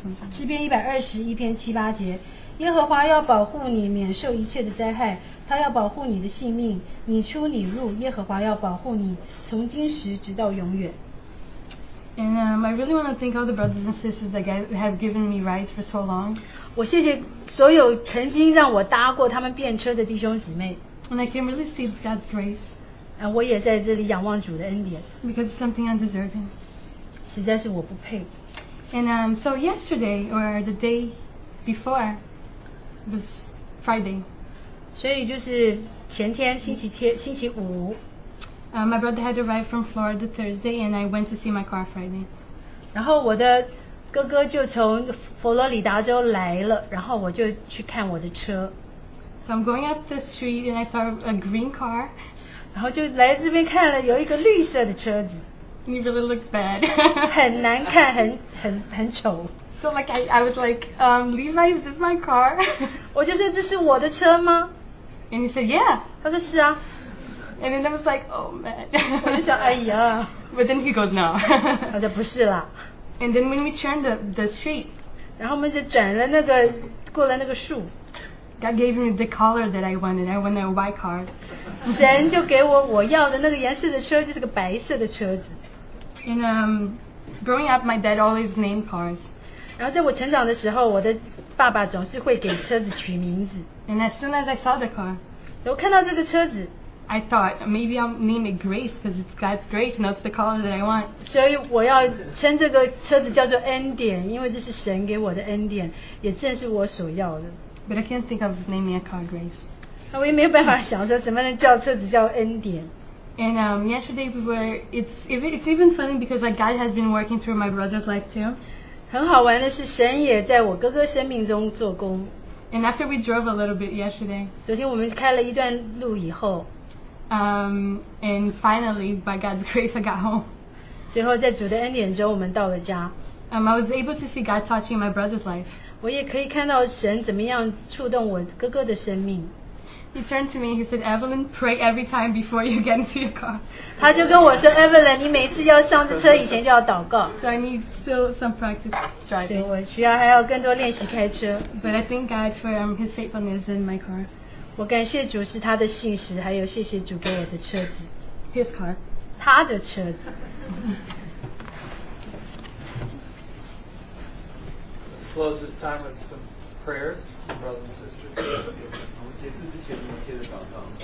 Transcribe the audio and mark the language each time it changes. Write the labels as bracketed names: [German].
[Chinese] 诗篇一百二十一篇七八节，耶和华要保护你，免受一切的灾害。他要保护你的性命，你出你入，耶和华要保护你，从今时直到永远。 [English] And I really want to thank all the brothers and sisters that have given me rides for so long. [Chinese] 我谢谢所有曾经让我搭过他们便车的弟兄姊妹。 [English] And I can really see God's grace. [Chinese] 我也在这里仰望主的恩典。 [English] Because it's something undeserving. [Chinese] 实在是我不配。 [English] And so yesterday or the day before was Friday. [Chinese] 所以就是前天星期天星期五。 [English] My brother had arrived from Florida Thursday, and I went to see my car Friday. [Chinese] 然后我的哥哥就从佛罗里达州来了，然后我就去看我的车。 [English] So I'm going up the street, and I saw a green car. [Chinese] 然后就来这边看了，有一个绿色的车子。 [English] You really look bad. [Chinese] 很难看，很丑。 [English] So like I was like, Levi, is this my car? [Chinese] 我就说这是我的车吗 [English] ？And he said, Yeah. [Chinese] 他说是啊。 [English] And then I was like, oh man. [Chinese] 我就想，哎呀。 [English] But then he goes, no. [Chinese] 他说不是啦。 [English] And then when we turned the street. [Chinese] 然后我们就转了那个过了那个树。 [English] God gave me the color that I wanted. I wanted a white car. [Chinese] 神就给我我要的那个颜色的车就是个白色的车子。 [English] And growing up, my dad always named cars. [Chinese] 然后在我成长的时候，我的爸爸总是会给车子取名字。 [English] And as soon as I saw the car. [Chinese] 我看到这个车子。 [English] I thought maybe I'll name it Grace because it's God's grace and that's the color that I want. [Chinese] 所以我要称这个车子叫做恩典，因为这是神给我的恩典，也正是我所要的。 [English] But I can't think of naming a car Grace. [Chinese] 我也没有办法想说怎么能叫车子叫恩典。 [English] And yesterday we were, it's even funny because like God has been working through my brother's life too. [Chinese] 很好玩的是，神也在我哥哥生命中做工。 [English] And after we drove a little bit yesterday. [Chinese] 昨天我们开了一段路以后。 [English] And finally, by God's grace, I got home. [Chinese] 最后在主的恩典中，我们到了家。 [English] I was able to see God touching my brother's life. [Chinese] 我也可以看到神怎么样触动我哥哥的生命。 [English] He turned to me and he said, Evelyn, pray every time before you get into your car. [Chinese] 他就跟我说 Evelyn, 你每次要上车以前就要祷告。 [English] So I need still some practice driving. [Chinese] 所以我需要还要更多练习开车。 [English] But I thank God for his faithfulness in my car. [Chinese] 我感谢主是他的信实还有谢谢主给我的车子。 [English] His car. [Chinese] 他的车子。 [English] Close this time with some prayers for brothers and sisters. [Chinese] 我们结束之前，我们接着祷告。